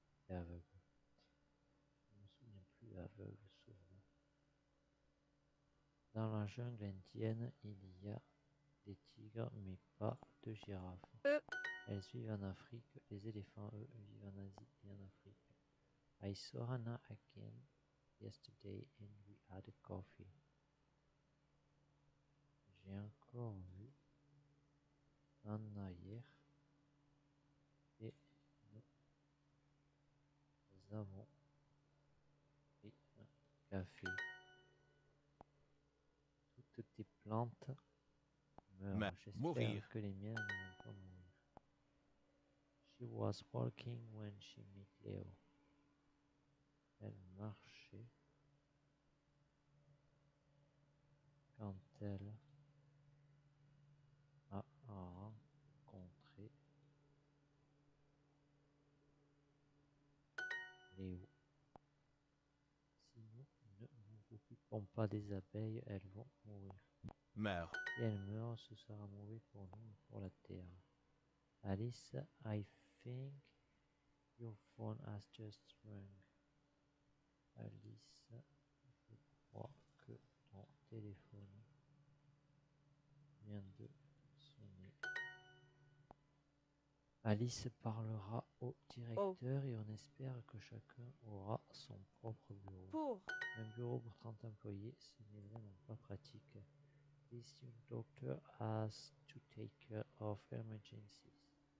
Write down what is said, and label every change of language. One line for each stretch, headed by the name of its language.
French: Aveugle. Je ne me souviens plus aveugle souvent. Dans la jungle indienne, il y a des tigres, mais pas de girafes. Elles vivent en Afrique. Les éléphants, eux, vivent en Asie et en Afrique.
English: I saw Anna again yesterday and we had a coffee.
French: J'ai encore vu Anna hier. Nous avons pris un café. Toutes tes plantes meurent. J'espère que les miennes ne vont pas mourir.
English: She was walking when she met Leo.
French: Elle marchait quand elle a rencontré. Si nous ne nous occupons pas des abeilles, elles vont mourir. Meurs. Si elles meurent, ce sera mauvais pour nous et pour la terre.
English: Alice, I think your phone has just rung.
French: Alice, je crois que ton téléphone vient de sonner. Alice parlera au directeur et on espère que chacun aura son propre bureau. Pour un bureau pour 30 employés, ce n'est vraiment pas pratique.
English: This doctor has to take care of emergencies.